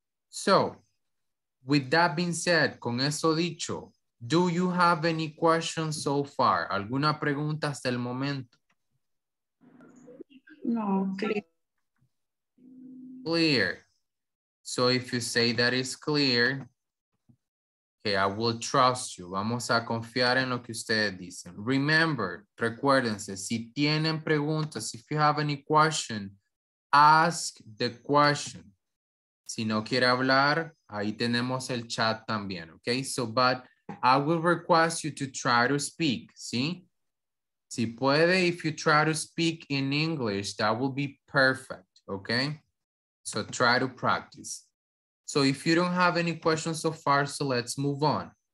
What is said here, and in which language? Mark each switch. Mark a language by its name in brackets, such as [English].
[English] So, with that being said, [Spanish] con eso dicho, [English] do you have any questions so far? [Spanish] ¿Alguna pregunta hasta el momento? [English] No, clear. Clear. So, if you say that is clear, okay, I will trust you. [Spanish] Vamos a confiar en lo que ustedes dicen. [English] Remember, [Spanish] recuérdense, si tienen preguntas, [English] if you have any question, ask the question. [Spanish] Si no quiere hablar, ahí tenemos el chat también, okay? [English] So, but I will request you to try to speak, ¿sí? [Spanish] Si puede, [English] if you try to speak in English, that will be perfect, okay? So try to practice. So if you don't have any questions so far, so let's move on.